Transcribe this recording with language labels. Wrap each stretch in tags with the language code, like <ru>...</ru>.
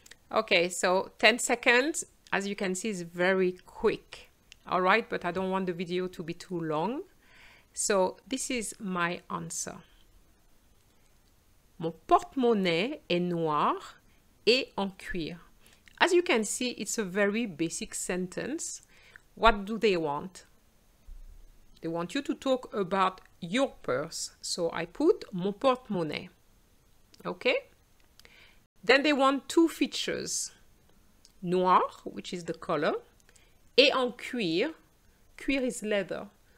<en>Okay, so 10 seconds, as you can see, is very quick. All right, but I don't want the video to be too long. So this is my answer.</en> <fr>Mon porte-monnaie est noir et en cuir.</fr> <en>As you can see, it's a very basic sentence. What do they want? They want you to talk about your purse. So I put mon porte-monnaie. Okay? Then they want two features. Noir, which is the color,</en> <fr>et en cuir.</fr> <en>Cuir is leather.</en>